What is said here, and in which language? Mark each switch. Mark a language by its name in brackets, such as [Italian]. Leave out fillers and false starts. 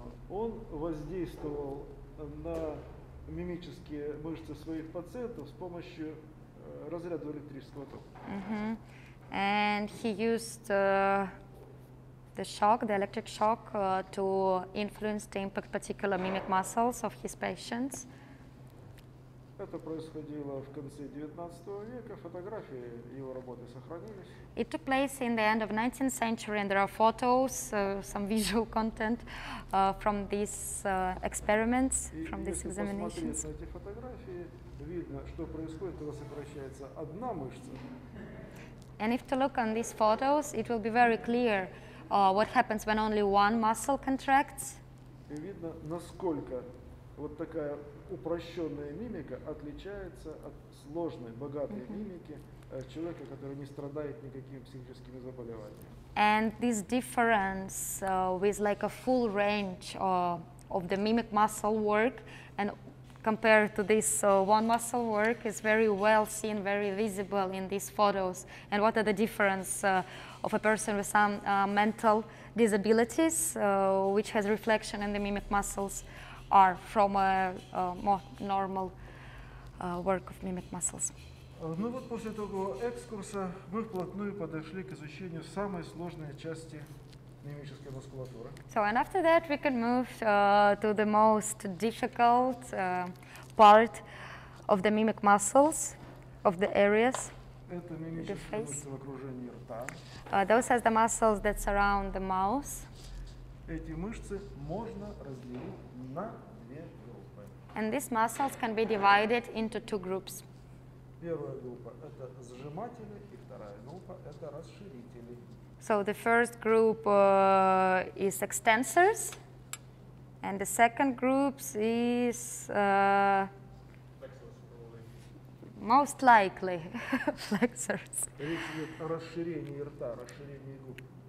[Russian] Он воздействовал на мимические мышцы своих пациентов с помощью разряда электрического тока. Mm-hmm. [English] And he used the shock, the electric shock, to influence the impact particular mimic muscles of his patients. [Russian] Это происходило в конце 19 века, фотографии его работы сохранились. [English] It took place in the end of 19th century and there are photos, some visual content from these experiments, from these examinations. [Russian] И если посмотреть на эти фотографии, видно, что происходит, когда сокращается одна мышца. [English] And if to look on these photos, it will be very clear what happens when only one muscle contracts. [Russian] И видно, насколько вот такая упрощенная мимика отличается от сложной, богатой mm-hmm. мимики человека, который не страдает никакими психическими заболеваниями. [English] And this difference with like a full range of the mimic muscle work and compared to this. So one muscle work is very well seen, very visible in these photos. And what are the difference of a person with some mental disabilities, which has reflection in the mimic muscles, are from a more normal work of mimic muscles? [Russian] Ну вот после такого экскурса мы вплотную подошли к изучению самой сложной части мимической мускулатуры. [English] So and after that we can move to the most difficult part of the mimic muscles, of the areas. [Russian] Это мимические мышцы в окружении рта. [English] Those are the muscles that surround the mouth. [Russian] Эти мышцы можно разделить на две группы. [English] And these muscles can be divided into two groups. [Russian] Первая группа – это сжиматели, и вторая группа – это расширители. [English] So the first group is extensors, and the second group is most likely flexors. [Russian] Речь идет о расширении рта, расширении губ.